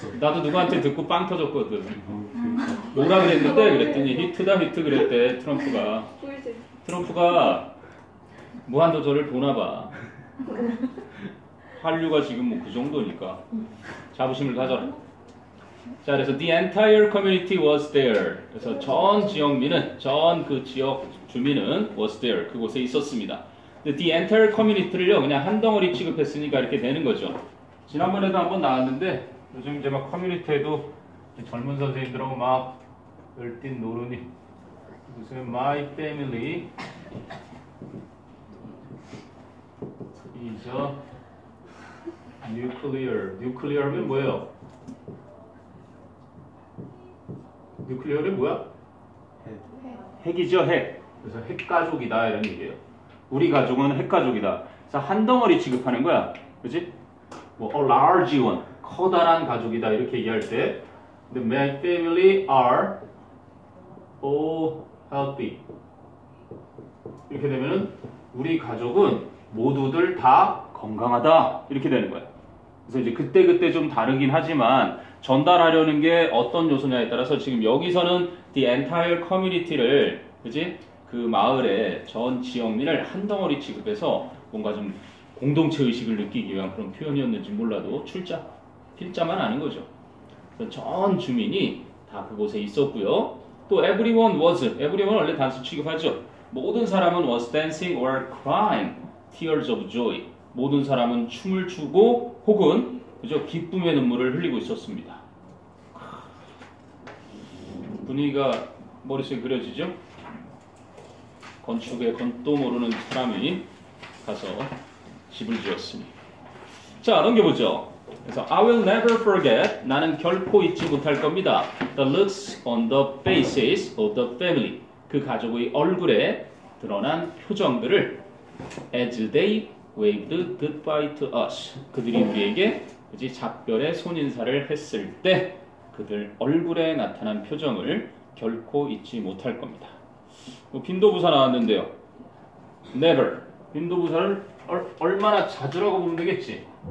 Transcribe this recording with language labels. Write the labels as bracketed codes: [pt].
[ko] 나도 누구한테 듣고 빵 터졌거든. 뭐라 그랬는데? 그랬더니 히트다 히트 그랬대 트럼프가. 트럼프가 무한도전을 보나 봐. 한류가 지금 뭐 그 정도니까 자부심을 가져라. 자, 그래서 [en] the entire community was there. [ko] 그래서 전 지역민은, 전 그 지역 주민은 [en] was there. [ko] 그곳에 있었습니다. The entire community를요, 그냥 한 덩어리 취급했으니까 이렇게 되는 거죠. 지난번에도 한번 나왔는데 요즘 이제 막 커뮤니티에도 젊은 선생님들하고 막 열띤 노릇이 무슨 [en] my family is a nuclear. [ko] nuclear면 뭐예요? 뉴클리어는 뭐야? 핵이죠, 핵. 그래서 핵가족이다 이런 얘기예요. 우리 가족은 핵가족이다. 그래서 한 덩어리 취급하는 거야. 그렇지? 뭐 [en] a large one, [ko] 커다란 가족이다 이렇게 얘기할 때 [en] the my family are all healthy. [ko] 이렇게 되면은 우리 가족은 모두들 다 건강하다 이렇게 되는 거야. 그래서 이제 그때그때 좀 다르긴 하지만 전달하려는 게 어떤 요소냐에 따라서 지금 여기서는 the entire community를, 그지? 그 마을의 전 지역민을 한 덩어리 취급해서 뭔가 좀 공동체 의식을 느끼기 위한 그런 표현이었는지 몰라도 출자, 필자만 아는 거죠. 전 주민이 다 그곳에 있었고요. 또 [en] everyone was, [ko] everyone 원래 단수 취급하죠. 모든 사람은 [en] was dancing or crying tears of joy. [ko] 모든 사람은 춤을 추고 혹은 그죠? 기쁨의 눈물을 흘리고 있었습니다. 분위기가 머릿속에 그려지죠? 건축에 건도 모르는 사람이 가서 집을 지었습니다. 자, 넘겨보죠. 그래서 [en] I will never forget. [ko] 나는 결코 잊지 못할 겁니다. [en] The looks on the faces of the family. [ko] 그 가족의 얼굴에 드러난 표정들을 [en] as they waved goodbye to us. [ko] 그들이 우리에게 그지 작별의 손인사를 했을 때 그들 얼굴에 나타난 표정을 결코 잊지 못할 겁니다. 뭐 빈도부사 나왔는데요. [en] Never. [ko] 빈도부사를 얼마나 자주라고 보면 되겠지.